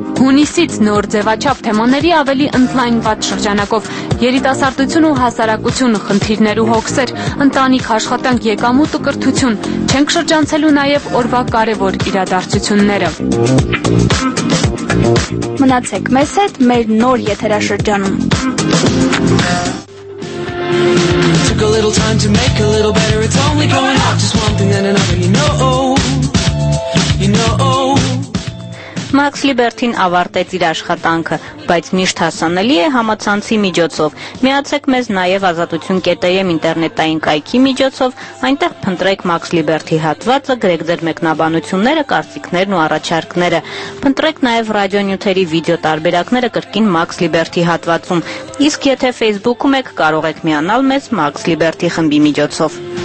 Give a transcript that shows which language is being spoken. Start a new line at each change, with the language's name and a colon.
Armenian: Հունիսից նոր ձևաչափ թեմաների ավելի ընդլայնված շրջանակով երիտասարդություն ու հասարակություն, խնդիրներ ու հոգսեր, ընտանիք, աշխատանք, եկամուտ ու կրթություն, չենք շրջանցելու նաև օրվա կարևոր իրադարձությունները։ Մնացեք մեզ հետ մեր նոր եթերաշրջանում։
English: Took a little time to make a little better. It's only going up, just one thing then another. You know, you know.
Armenian: Max Liberty-ն ավարտեց իր աշխատանքը, բայց միշտ հասանելի է համացանցի միջոցով։ Միացեք մեզ նաև ազատություն.am ինտերնետային կայքի միջոցով, այնտեղ փնտրեք Max Liberty հատվածը, գրեք ձեր մեկնաբանությունները, կարծիքներն ու առաջարկները։ Փնտրեք նաև ռադիոնյութերի վիդեո տարբերակները կրկին Max Liberty հատվածում։ Իսկ եթե Facebook-ում եք, կարող եք միանալ մեզ Max Liberty խմբի միջոցով։